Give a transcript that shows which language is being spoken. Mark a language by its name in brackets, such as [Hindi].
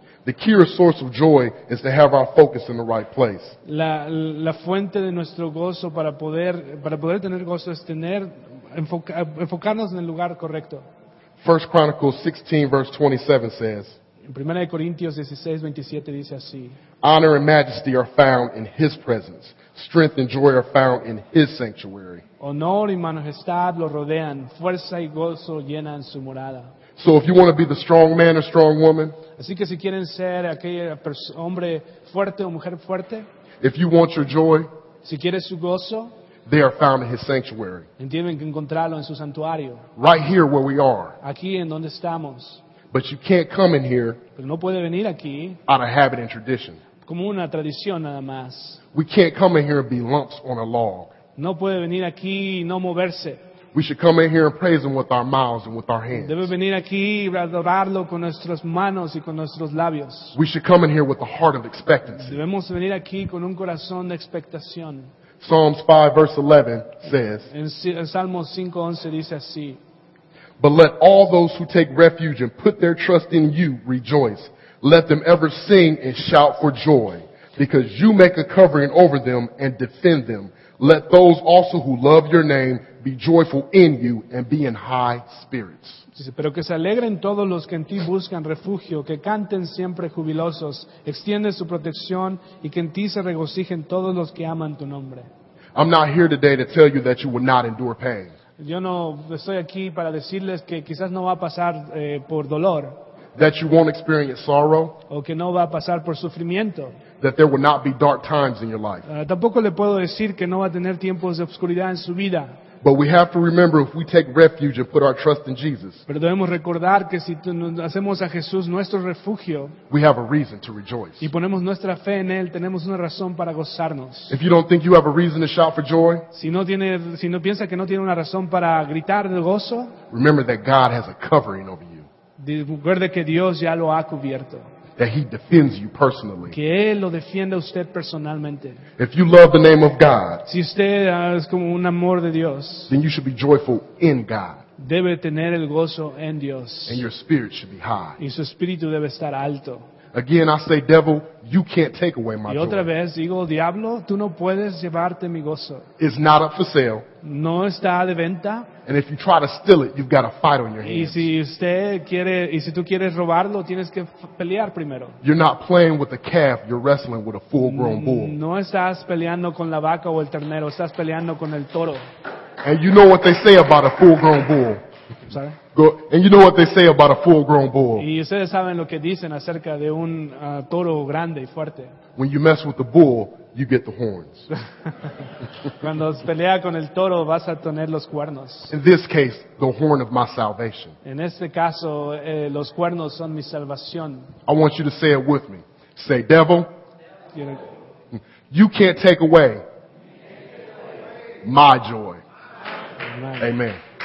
[English] The key or source of joy is to have our focus in the right place. [Spanish] La fuente de nuestro gozo para poder tener gozo es tener enfocarnos en el lugar correcto. [English] 1 Chronicles 16 verse 27 says, [Spanish] en 1 Corintios 16, 27 dice así, [English] honor and majesty are found in His presence. Strength and joy are found in His sanctuary. [Spanish] Honor y majestad lo rodean. Fuerza y gozo llenan su morada. [English] So if you want to be the strong man or strong woman, [Spanish] así que si quieren ser aquel hombre fuerte o mujer fuerte, [English] if you want your joy, [Spanish] si quieres su gozo, [English] they are found in His sanctuary. [Spanish] Tienen que encontrarlo en su santuario. [English] Right here where we are. [Spanish] Aquí en donde estamos. [English] But you can't come in here. [Spanish] Pero no puede venir aquí. [English] Out of habit and tradition. [Spanish] Como una tradición nada más. [English] We can't come in here and be lumps on a log. [Spanish] No puede venir aquí y no moverse. [English] We should come in here and praise Him with our mouths and with our hands. [Spanish] Debe venir aquí y adorarlo con nuestras manos y con nuestros labios. [English] We should come in here with a heart of expectancy. [Spanish] Debemos venir aquí con un corazón de expectación. [English] Psalms 5 verse 11 says, [Spanish] en Salmo 5, 11 dice así, [English] but let all those who take refuge and put their trust in You rejoice. Let them ever sing and shout for joy, because You make a covering over them and defend them. Let those also who love Your name be joyful in You and be in high spirits. [Spanish] Dice, pero que se alegren todos los que en Ti buscan refugio, que canten siempre jubilosos, extiende su protección y que en Ti se regocijen todos los que aman Tu nombre. [English] I'm not here today to tell you that you will not endure pain. [Spanish] Yo no estoy aquí para decirles que quizás no va a pasar por dolor. [English] That you won't experience sorrow. [Spanish] O que no va a pasar por sufrimiento. [English] That there will not be dark times in your life. [Spanish] Tampoco le puedo decir que no va a tener tiempos de oscuridad en su vida. [English] But we have to remember if we take refuge and put our trust in Jesus. [Spanish] Pero debemos recordar que si hacemos a Jesús nuestro refugio, [English] we have a reason to rejoice. [Spanish] Y ponemos nuestra fe en Él, tenemos una razón para gozarnos. [English] If you don't think you have a reason to shout for joy, [Spanish] si no piensa que no tiene una razón para gritar de gozo, [English] remember that God has a covering over you. [Spanish] Recuerde que Dios ya lo ha cubierto. [English] That He defends you personally. [Spanish] Que Él lo defiende a usted personalmente. [English] If you love the name of God, [Spanish] si usted es como un amor de Dios, [English] then you should be joyful in God. [Spanish] Debe tener el gozo en Dios. [English] And your spirit should be high. [Spanish] Y su espíritu debe estar alto. [English] Again, I say, devil, you can't take away my joy. [Spanish] Y otra vez digo, diablo, tú no puedes llevarte mi gozo. [English] It's not up for sale. [Spanish] No está de venta. [English] And if you try to steal it, you've got a fight on your hands. [Spanish] Y si tú quieres robarlo, tienes que pelear primero. [English] You're not playing with a calf, you're wrestling with a full-grown bull. [Spanish] No estás peleando con la vaca o el ternero, estás peleando con el toro. [English] And you know what they say about a full-grown bull. Sorry. And you know what they say about a full-grown bull. [Spanish] Y ustedes saben lo que dicen acerca de un toro grande y fuerte. [English] When you mess with the bull, you get the horns. [Spanish] Cuando pelea con el toro, vas a tener los cuernos. [English] In this case, the horn of my salvation. [Spanish] En este caso, los cuernos son mi salvación. [English] I want you to say it with me. Say, devil, you can't take away my joy. Amen. Amen.